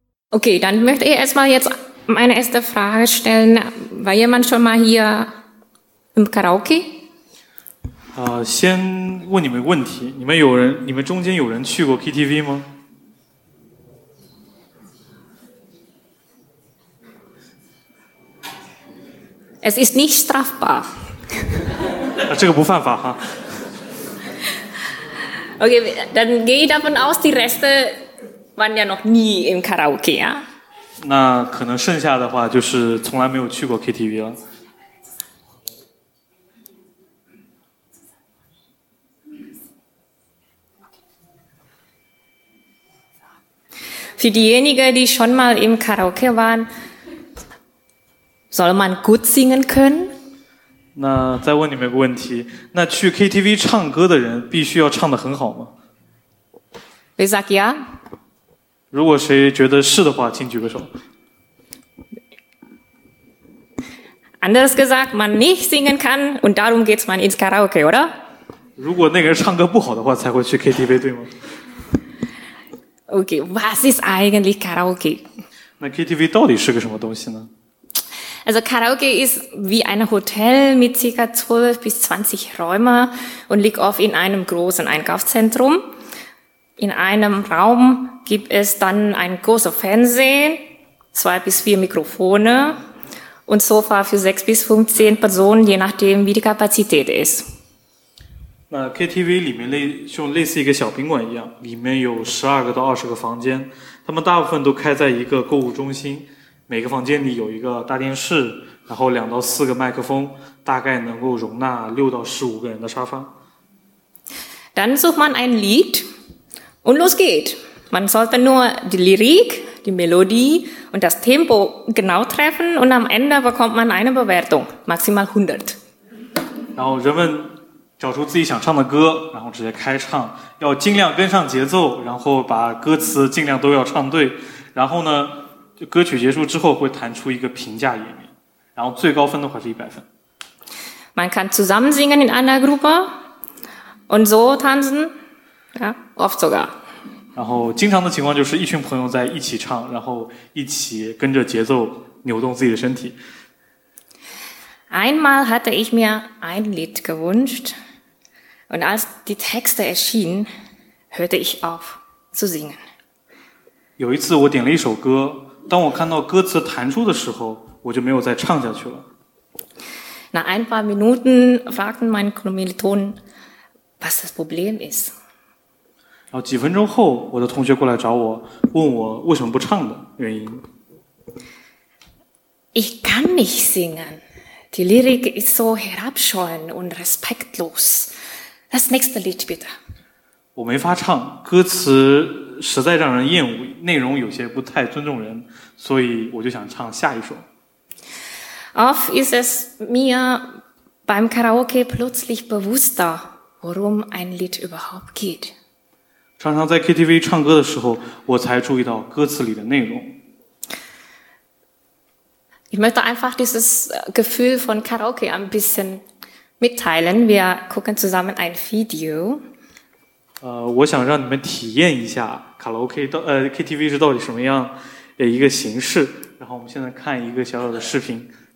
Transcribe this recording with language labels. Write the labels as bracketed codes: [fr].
[de] Okay, dann möchte ich erstmal jetzt meine erste Frage stellen. War jemand schon mal hier im Karaoke? [zh] 先问你们问题。你们中间有人去过 KTV 吗？ [de] Es ist nicht strafbar. [zh] 这个不犯法哈。 [de] Okay, dann gehe ich davon aus, die Reste waren ja noch nie im Karaoke, ja? [zh] 那可能剩下的话就是从来没有去过 KTV 了。 [de] Für diejenigen, die schon mal im Karaoke waren,Soll man gut singen können? [zh] 那再问你们一个问题，那去 KTV 唱歌的人必须要唱得很好吗 [de] ？Wer sagt ja? [zh] 如果谁觉得是的话，请举个手。 [de] Anders gesagt, man nicht singen kann und darum geht man ins Karaoke, oder? [zh] 如果那个人唱歌不好的话，才会去 KTV, 对吗 [de] ？Okay, was ist eigentlich Karaoke? [zh] 那 KTV 到底是个什么东西呢？ [de] Also Karaoke ist wie ein Hotel mit ca. 12 bis 20 Räumen und liegt oft in einem großen Einkaufszentrum. In einem Raum gibt es dann ein großes Fernsehen, 2 bis 4 Mikrofone und Sofa für 6 bis 15 Personen, je nachdem wie die Kapazität ist. [zh] 那 KTV 里面类似一个小宾馆一样，里面有12个到20个房间，他们大部分都开在一个购物中心。每个房间里有一个大电视，然后2到4个麦克风，大概能够容纳6到15个人的沙发。 [de] Dann sucht man ein Lied und los geht. Man sollte nur die Lyrik, die Melodie und das Tempo genau treffen und am Ende bekommt man eine Bewertung, maximal 100. [zh] 然后人们找出自己想唱的歌，然后直接开唱，要尽量跟上节奏，然后把歌词尽量都要唱对，然后呢？就歌曲结束之后会弹出一个评价页面，然后最高分的话是100分。 [de] Man kann zusammen singen in einer Gruppe und so tanzen, ja, oft sogar. [zh] 然后经常的情况就是一群朋友在一起唱，然后一起跟着节奏扭动自己的身体。 [de] Einmal hatte ich mir ein Lied gewünscht und als die Texte erschienen, hörte ich auf zu singen. [zh] 有一次我点了一首歌。当我看到歌词弹出的时候，我就没有再唱下去了。 [de] Nach ein paar Minuten fragten meine Kommilitonen, was das Problem ist. [zh] 然后几分钟后，我的同学过来找我，问我为什么不唱的原因。 [de] Ich kann nicht singen. Die Lyrik ist so herabschauend und respektlos. Das nächste Lied bitte. [zh] 我没法唱，歌词。实在让人厌恶，内容有些不太尊重人，所以我就想唱下一首。 [de] Oft ist es mir beim Karaoke plötzlich bewusster, worum ein Lied überhaupt geht. [zh] 常常在 KTV 唱歌的时候，我才注意到歌词里的内容。 [de] Ich möchte einfach dieses Gefühl von Karaoke ein bisschen mitteilen. Wir gucken zusammen ein Video. [zh] 我想让你们体验一下卡拉 OK 到KTV 是到底什么样的一个形式。然后我们现在看一个小小的视频。